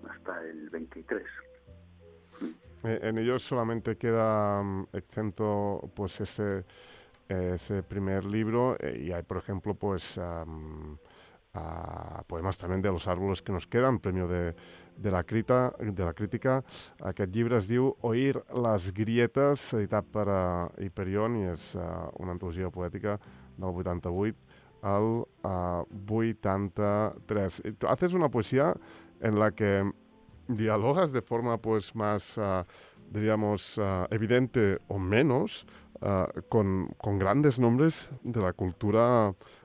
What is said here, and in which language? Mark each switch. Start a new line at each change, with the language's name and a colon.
Spanish: Hasta el 23. En ellos solamente queda exento pues ese primer libro, y hay, por ejemplo, pues a poemas también de Los árboles que nos quedan, premio de la crítica.
Catalan: Aquest llibre es diu Oír las grietas, editat per Hyperion, i és una antologia poètica del 88 al 83.
Spanish: Tu haces una poesia en la que dialogas de forma pues más diríamos evidente o menos con grandes nombres de la cultura